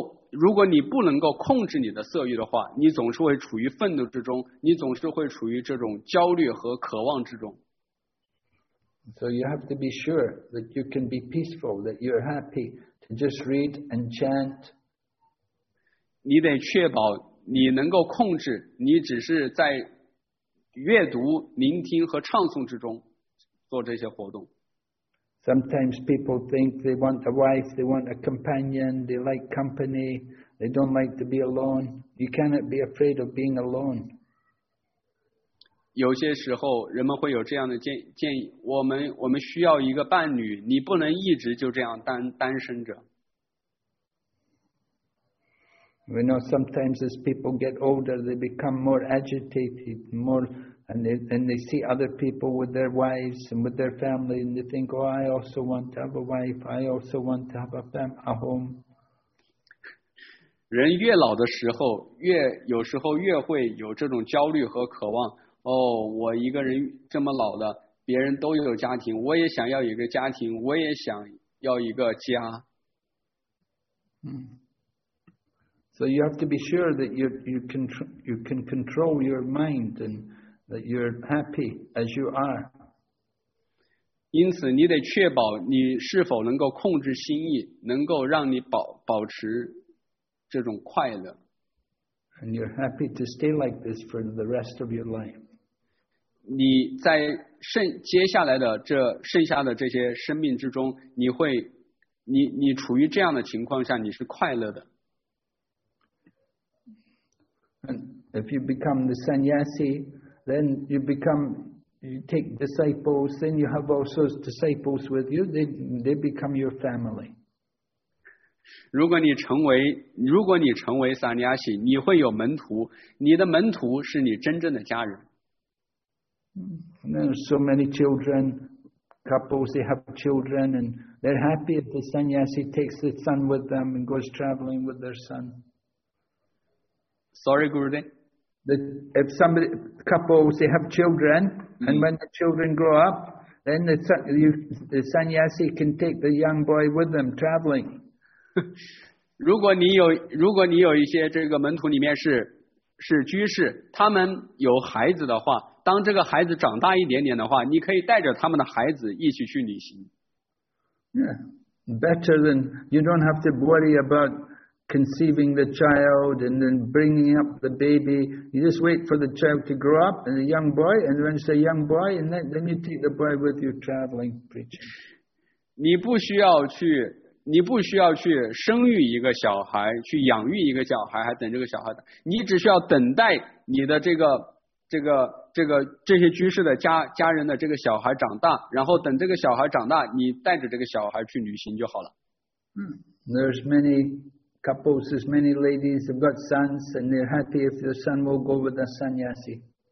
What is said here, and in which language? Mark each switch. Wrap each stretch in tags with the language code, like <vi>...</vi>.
<zh>如果你不能够控制你的色欲的话，你总是会处于愤怒之中，你总是会处于这种焦虑和渴望之中。</zh> <en>So you have to be sure that you can be peaceful, that you're happy to just read and chant.</en> <zh>你得确保你能够控制，你只是在阅读、聆听和唱诵之中做这些活动。</zh> <en>Sometimes people think they want a wife, they want a companion, they like company, they don't like to be alone. You cannot be afraid of being alone.</en> <zh>有些时候人们会有这样的建议，我们需要一个伴侣，你不能一直就这样单身着。</zh> <en>We know sometimes as people get older, they become more agitated, And they see other people with their wives and with their family, and they think, "Oh, I also want to have a wife. I also want to have a home."</en> <zh>人越老的时候，有时候越会有这种焦虑和渴望。哦，我一个人这么老了，别人都有家庭，我也想要一个家庭，我也想要一个家。</zh> <en>So you have to be sure that you can control your mind and. That you're happy as you are.</en> <zh>因此，你得确保你是否能够控制心意，能够让你保持这种快乐。</zh> <en>And you're happy to stay like this for the rest of your life.</en> <zh>你在接下来的这些生命之中，你处于这样的情况下，你是快乐的。</zh> <en>And if you become the sannyasi. Then you take disciples, then you have all sorts of disciples with you, they become your family.</en> <zh>如果你成为 sannyasi, 你会有门徒，你的门徒是你真正的家人。</zh> <en>And then so many children, couples, they have children, and they're happy if the sannyasi takes the son with them and goes traveling with their son. Sorry, Gurudev. That if somebody, couples, they have children, and when the children grow up, then the sannyasi can take the young boy with them traveling.</en> <zh>如果你有一些这个门徒里面是居士，他们有孩子的话，当这个孩子长大一点点的话，你可以带着他们的孩子一起去旅行。</zh> <en>Yeah, better than you don't have to worry about. Conceiving the child and then bringing up the baby, you just wait for the child to grow up and a young boy, and when it's a young boy, and then you take the boy with you traveling preaching.</en> <zh>你不需要去生育一个小孩，去养育一个小孩，还等这个小孩，你只需要等待你的这些居士的家人的这个小孩长大，然后等这个小孩长大，你带着这个小孩去旅行就好了。</zh> <en>There's many. Couples, as many ladies have got sons, and they're happy if their son will go with a sannyasi.</en>